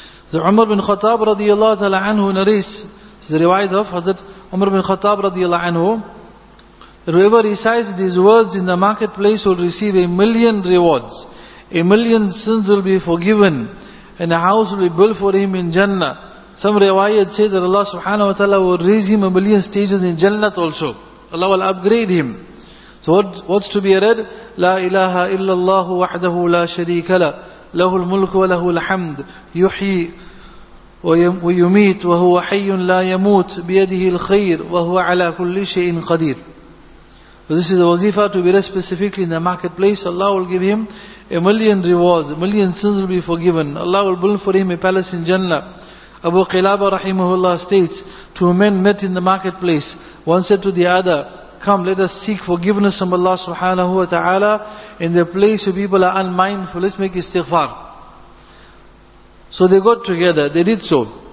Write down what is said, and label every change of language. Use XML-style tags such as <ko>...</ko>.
<en>The Umar bin Khattab radiyallahu ta'ala anhu narrates, the riwayat of Hazrat Umar bin Khattab radiyallahu anhu, that whoever recites these words in the marketplace will receive 1,000,000 rewards, 1,000,000 sins will be forgiven, and a house will be built for him in Jannah. Some riwayat say that Allah subhanahu wa ta'ala will raise him 1,000,000 stages in Jannah also. Allah will upgrade him. So what's to be read?</en> <ar>لا إله إلا الله وحده لا شريك له له الملك وله الحمد يحيي ويميت وهو حي لا يموت بيده الخير وهو على كل شيء قدير.</ar> <en>So this is the wazifa to be read specifically in the marketplace. Allah will give him 1,000,000 rewards, 1,000,000 sins will be forgiven. Allah will build for him a palace in Jannah. Abu Qilaba rahimahullah states, two men met in the marketplace. One said to the other, come, let us seek forgiveness from Allah subhanahu wa ta'ala in the place where people are unmindful. Let's make istighfar. So they got together. They did so.</en>